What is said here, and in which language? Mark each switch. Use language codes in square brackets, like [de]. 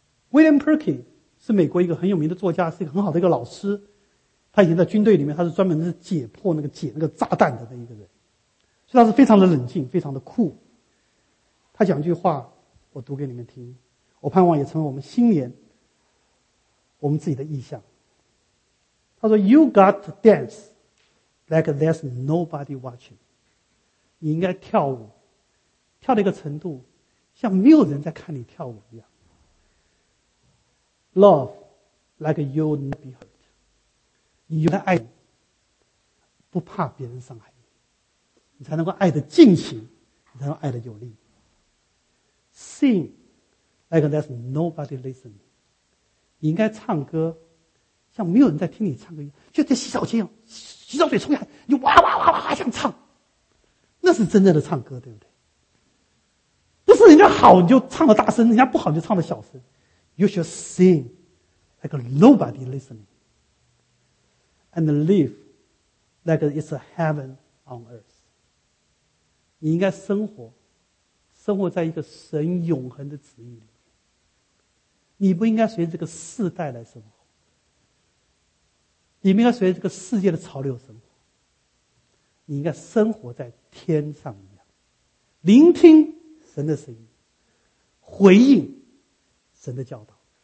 [zh] William Perkey 是美国一个很有名的作家，是一个很好的一个老师，他以前在军队里面，他是专门是解破那个解那个炸弹的那一个人，所以他是非常的冷静非常的酷。他讲一句话我读给你们听，我盼望也成为我们新年我们自己的意向。他说 [en] You got to danceLike there's nobody watching. [zh] 你应该跳舞，跳到一个程度像没有人在看你跳舞一样。 [en] Love like you'll never be hurt. [zh] 你应该爱你，不怕别人伤害你，你才能够爱得尽情，你才能爱得有力。 [en] Sing like there's nobody listening. [zh] 你应该唱歌像没有人在听你唱歌一样，就在洗澡间一样，洗澡水冲下来，你哇哇哇哇想唱，那是真正的唱歌，对不对？不是人家好你就唱的大声，人家不好你就唱的小声。 [en] You should sing like nobody listening and live like it's a heaven on earth. [zh] 你应该生活在一个神永恒的旨意里，你不应该随这个世代来生活，你们应该随着这个世界的潮流生活，你应该生活在天上一样，聆听神的声音，回应神的教导。